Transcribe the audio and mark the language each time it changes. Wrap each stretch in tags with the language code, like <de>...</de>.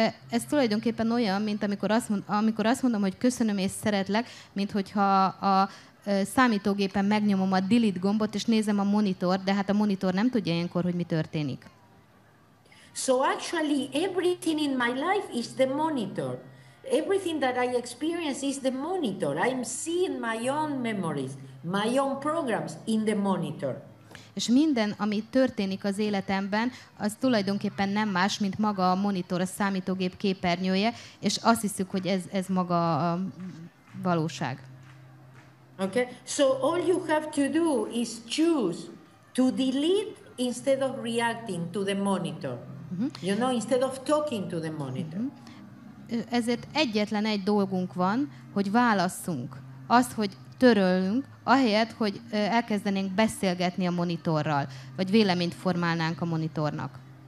<hu>Ez tulajdonképpen olyan, mint amikor azt mondom, hogy köszönöm és szeretlek, mint hogyha a számítógépen megnyomom a delete gombot és nézem a monitor, de hát a monitor nem tudja ilyenkor, hogy mi történik.</hu> <en>So actually everything in my life is the monitor. Everything that I experience is the monitor. I'm seeing my own memories, my own programs in the monitor.</en> <hu>És minden, ami történik az életemben, az tulajdonképpen nem más, mint maga a monitor, a számítógép képernyője, és azt hiszük, hogy ez maga a valóság.</hu> <en>Okay, so all you have to do is choose to delete instead of reacting to the monitor. You know, instead of talking to the monitor.</en> <hu>Ezért egyetlen egy dolgunk van, hogy válasszunk. Azt, hogy törölünk, ahelyett, hogy elkezdenénk beszélgetni a monitorral, vagy véleményt formálnánk a monitornak.</hu>